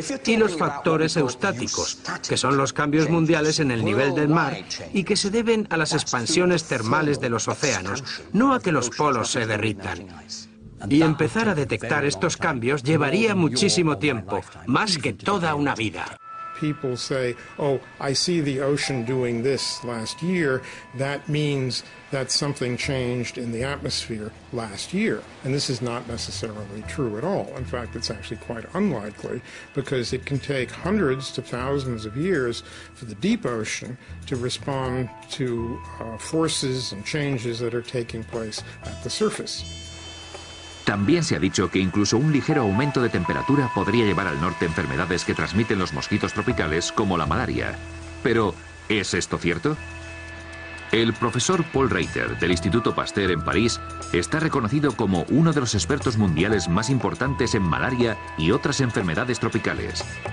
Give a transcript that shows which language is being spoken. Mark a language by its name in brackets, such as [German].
[Spanish] Y los factores eustáticos, que son los cambios mundiales en el nivel del mar y que se deben a las expansiones termales de los océanos, no a que los polos se derritan. Y empezar a detectar estos cambios llevaría muchísimo tiempo, más que toda una vida. [English] People say, oh, I see the ocean doing this last year. That means that something changed in the atmosphere last year. And this is not necessarily true at all. In fact, it's actually quite unlikely, because it can take hundreds to thousands of years for the deep ocean to respond to forces and changes that are taking place at the surface. [Spanish] También se ha dicho que incluso un ligero aumento de temperatura podría llevar al norte enfermedades que transmiten los mosquitos tropicales, como la malaria. Pero, ¿es esto cierto? El profesor Paul Reiter, del Instituto Pasteur en París, está reconocido como uno de los expertos mundiales más importantes en malaria y otras enfermedades tropicales.